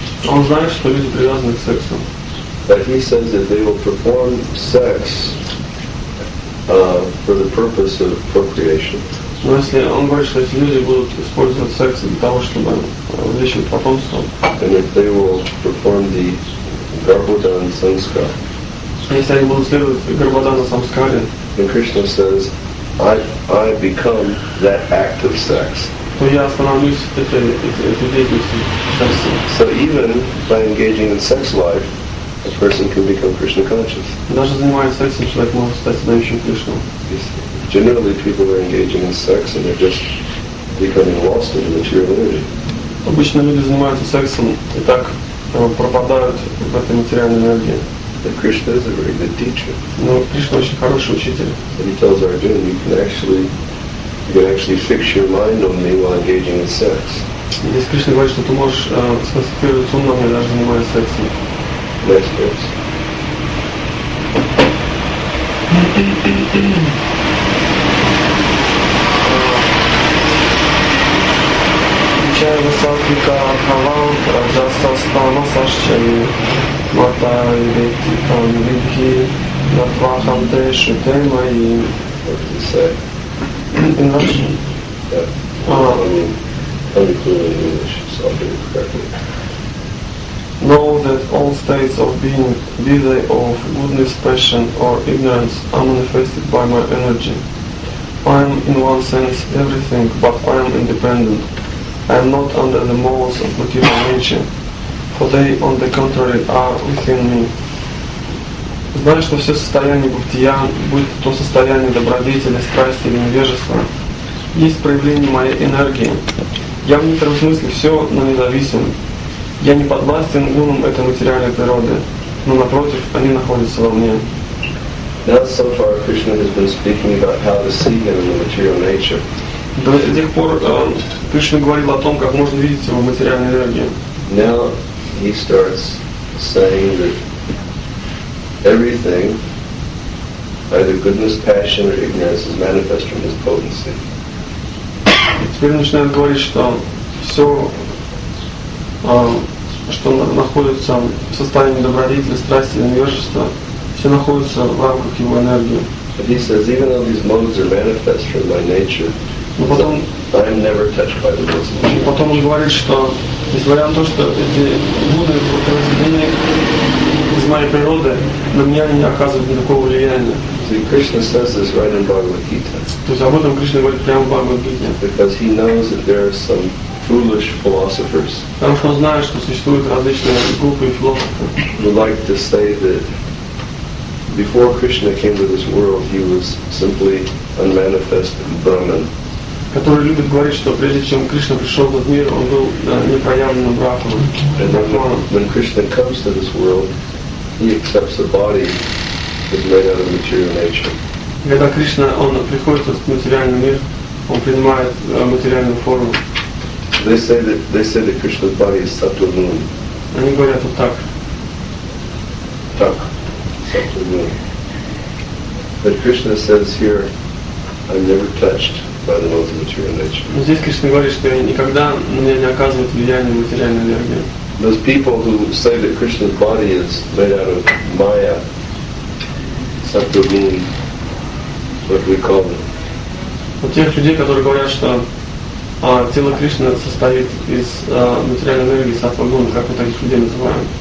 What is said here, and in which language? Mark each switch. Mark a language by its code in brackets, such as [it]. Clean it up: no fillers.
[ru] Он знает, что люди привязаны к сексу. [en] But he says that they will perform sex for the purpose of procreation. [ru] Но если он говорит, что эти люди будут использовать секс для того, чтобы увлечь их потомство, [en] and if they will perform the garbhodana samskar, [ru] если они будут следовать гарбходана самскаре, [en] then Krishna says, I become that act of sex. [ru] То я становлюсь этой деятельностью секса. [en] So even by engaging in sex life, a person can become Krishna conscious. [ru] Даже занимаясь сексом, человек может стать знающим Кришну. [en] Generally, people are engaging in sex and they're just becoming lost in the material energy. [ru] Обычно люди занимаются сексом и так пропадают в этой материальной энергии. [en] But Krishna is a very good teacher. [ru] Но Кришна очень хороший учитель. [en] And he tells Arjuna, you can actually fix your mind on me while engaging in sex. [ru] Здесь Кришна говорит, что ты можешь сконцентрировать ум на мне, даже занимаясь сексом. [en] Next verse. Thank you. [sa] Ashaya Vasatika Havam Rajasa Stana Sashchayi Mata Yuditi Tanvidhi Natvaham Te Shutemayi. [en] What did you say? In Russian? Yeah. I mean, including English, so I'll do it correctly. Know that all states of being, be they of goodness, passion, or ignorance, are manifested by my energy. I am in one sense everything, but I am independent. I am not under the molds of material nature, for they, on the contrary, are within me. [ru] Знаю, что все состояние бытия, будь то состояние добродетели, страсти или невежества, есть проявление моей энергии. Я в некотором смысле все, но независим. Я не подвластен гунам этой материальной природы, но напротив, они находятся во мне. [en] Now so far Krishna has been speaking about how to see him in the material nature. [ru] До тех пор Кришна говорил о том, как можно видеть его в материальной энергии. [en] Now he starts saying that everything, either goodness, passion, or ignorance, is manifest from his potency. [ru] Теперь начинает говорить, что все, что находится в состоянии добродетели, страсти и невежества, все находится в рамках его энергии. [en] But he says, even though these modes are manifest from my nature, I am never touched by the modes. [ru] Потом он говорит, что несмотря на то, что эти моды произведения из моей природы, на меня они не оказывают никакого влияния. [en] See, Krishna says this right in Bhagavad Gita. [ru] То есть об этом Кришна говорит прямо в Бхагавад Гите. [en] Because he knows that there are some foolish philosophers. [ru] Потому что он знает, что существуют различные глупые философы. [en] Who like to say that before Krishna came to this world, he was simply unmanifest Brahman. [ru] Которые любят говорить, что прежде чем Кришна пришел в этот мир, он был непроявленным Брахманом. [en] And then when Krishna comes to this world, he accepts a body that's made out of material nature. [ru] Когда Кришна, он приходит в этот материальный мир, он принимает материальную форму. [en] They say that Krishna's body is Satvagun. [ru] Они говорят вот так. Так. [en] But Krishna says here, I'm never touched by the modes of material nature. [ru] Здесь Кришна говорит, что никогда мне не оказывает влияние материальной энергии. [en] Those people who say that Krishna's body is made out of Maya, Satvagun, what we call them. [ru] У тех людей, которые говорят, что тело Кришны состоит из материальной энергии Сатвагун, как мы таких людей называем?